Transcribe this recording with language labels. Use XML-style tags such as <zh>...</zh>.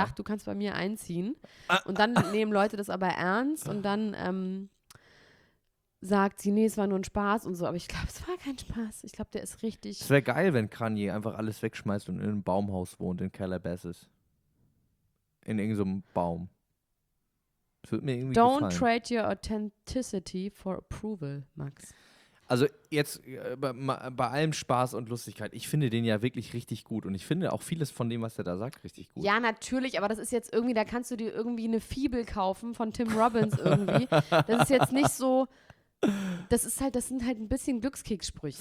<de>sagt, du kannst bei mir einziehen. Und dann nehmen Leute das aber ernst und dann sagt sie, nee, es war nur ein Spaß und so. Aber ich glaube, es war kein Spaß. Ich glaube, der ist richtig... Es wäre geil, wenn Kanye einfach alles wegschmeißt und in einem Baumhaus wohnt, in Calabasas. In irgendeinem Baum. Würde mir irgendwie</de> <en>Don't</en> <de>gefallen.</de> <en>Trade your authenticity for approval, Max.</en> <de>Also jetzt bei allem Spaß und Lustigkeit, ich finde den ja wirklich richtig gut und ich finde auch vieles von dem, was er da sagt, richtig gut. Ja, natürlich, aber das ist jetzt irgendwie, da kannst du dir irgendwie eine Fibel kaufen von Tim Robbins irgendwie. Das ist jetzt nicht so, das ist halt, das sind halt ein bisschen Glückskeks-Sprüche.</de>